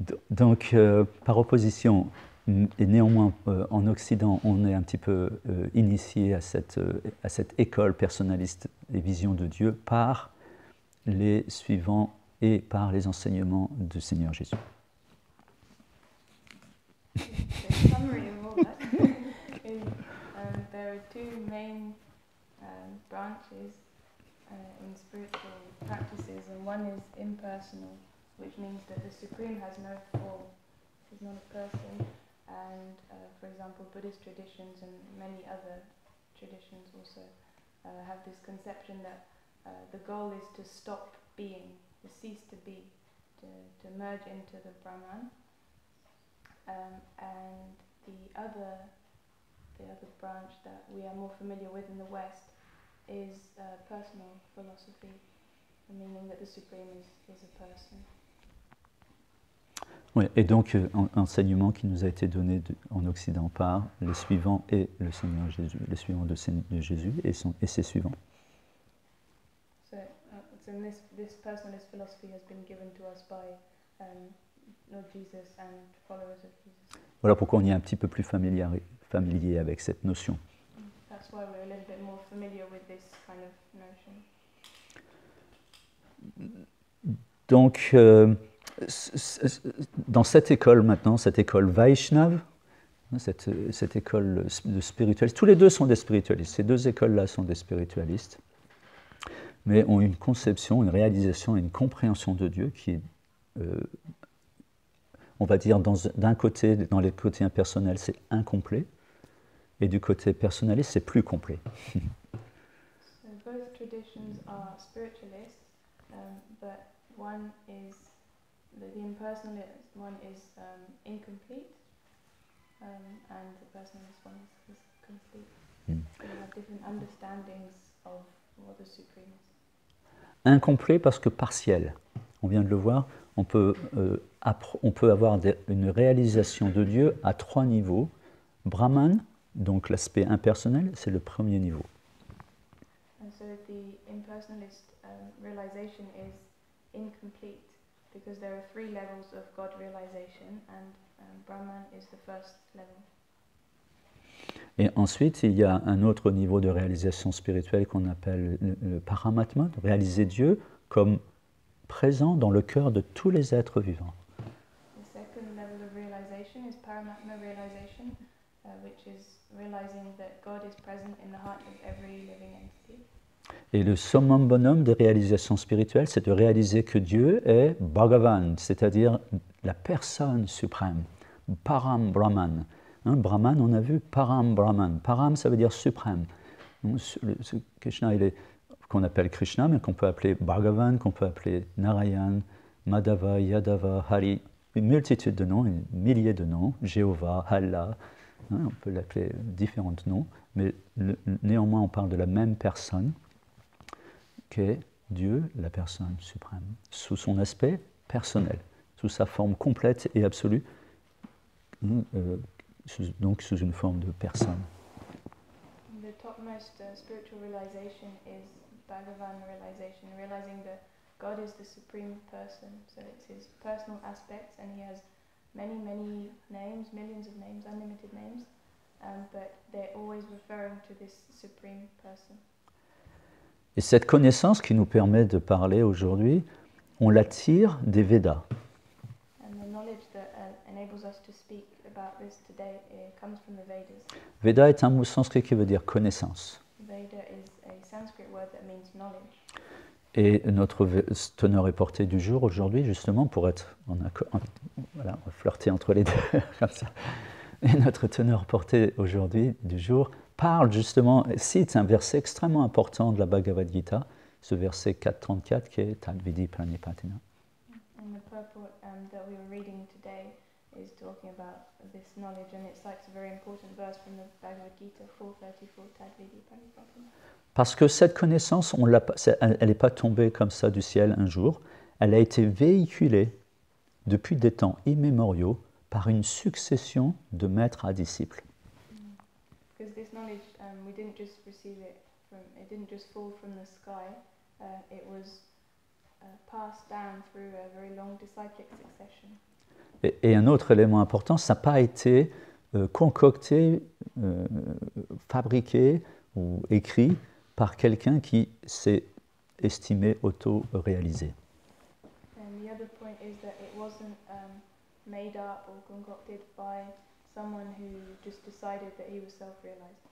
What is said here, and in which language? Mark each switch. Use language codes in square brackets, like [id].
[fr] Donc, par opposition, et néanmoins, en Occident, on est un petit peu initié à cette école personnaliste et vision de Dieu par les suivants et par les enseignements du Seigneur Jésus. [en] The summary of all that is there are two main branches in spiritual practices, and one is impersonal, which means that the Supreme has no form, he's not a person. And for example, Buddhist traditions and many other traditions also have this conception that the goal is to stop being, to cease to be, to merge into the Brahman. And the other branch that we are more familiar with in the West is personal philosophy, meaning that the Supreme is a person. [fr] Oui, et donc enseignement qui nous a été donné en Occident par les suivants et le Seigneur Jésus, les suivants de Jésus et ses suivants. [en] So, so this personalist philosophy has been given to us by Lord Jesus and followers of Jesus. [fr] Voilà pourquoi on est un petit peu plus familier avec cette notion. [en] That's why we're a little bit more familiar with this kind of notion. [fr] Donc dans cette école maintenant, cette école Vaishnava, cette école de spiritualistes, tous les deux sont des spiritualistes, ces deux écoles-là sont des spiritualistes, mais ont une conception, une réalisation, une compréhension de Dieu qui est, on va dire, dans les côtés impersonnels, c'est incomplet, et du côté personnaliste, c'est plus complet. [en] So both traditions are spiritualist, but one is the impersonal one is incomplete, and the personalist one is complete. Mm. They have different understandings of what the Supreme is. [fr] Incomplet parce que partiel. On vient de le voir. On peut avoir une réalisation de Dieu à trois niveaux. Brahman, donc l'aspect impersonnel, c'est le premier niveau. [en] And so the impersonalist realization is incomplete, because there are three levels of God realization, and Brahman is the first level. [fr] Et ensuite, il y a un autre niveau de réalisation spirituelle qu'on appelle le Paramatma, réaliser Dieu comme présent dans le cœur de tous les êtres vivants. [en] The second level of realization is Paramatma realization, which is realizing that God is present in the heart of every living entity. [fr] Et le summum bonum des réalisations spirituelles, c'est de réaliser que Dieu est Bhagavan, c'est-à-dire la personne suprême, Param Brahman. Hein, Brahman, on a vu Param Brahman. Param, ça veut dire suprême. Donc, Krishna, il est qu'on appelle Krishna, mais qu'on peut appeler Bhagavan, qu'on peut appeler Narayan, Madhava, Yadava, Hari, une multitude de noms, une milliers de noms, Jéhovah, Allah, hein, on peut l'appeler différents noms, mais néanmoins, on parle de la même personne, qu'est Dieu, la personne suprême, sous son aspect personnel, sous sa forme complète et absolue, donc sous une forme de personne. [en] The topmost spiritual realization is Bhagavan realization, realizing that God is the supreme person, so it's his personal aspects, and he has many, many names, millions of names, unlimited names, but they're always referring to this supreme person. [fr] Et cette connaissance qui nous permet de parler aujourd'hui, on la tire des Védas. [en] And the knowledge that enables us to speak about this today, it comes from the Vedas. [fr] Veda est un mot sanskrit qui veut dire connaissance. [en] Veda is a Sanskrit word that means knowledge. [fr] Et notre teneur et portée du jour aujourd'hui, justement, pour être en accord, voilà, flirter entre les deux, comme ça. Et notre teneur portée aujourd'hui du jour parle justement, cite un verset extrêmement important de la Bhagavad Gita, ce verset 4.34 qui est Tadvidi Pranipatina. [en] And the purport that we were reading today is talking about this knowledge, and it cites a very important verse from the Bhagavad Gita 4.34, Tadvidi Pranipatina. [fr] Parce que cette connaissance, elle n'est pas tombée comme ça du ciel un jour, elle a été véhiculée depuis des temps immémoriaux par une succession de maîtres à disciples. [en] Because this knowledge, we didn't just receive it from, it didn't just fall from the sky, it was passed down through a very long disciplic succession. [fr] Et un autre élément important, ça n'a pas été concocté, fabriqué ou écrit par quelqu'un qui s'est estimé auto-réalisé. [en] And the other point is that it wasn't made up or concocted by someone who just decided that he was self-realized.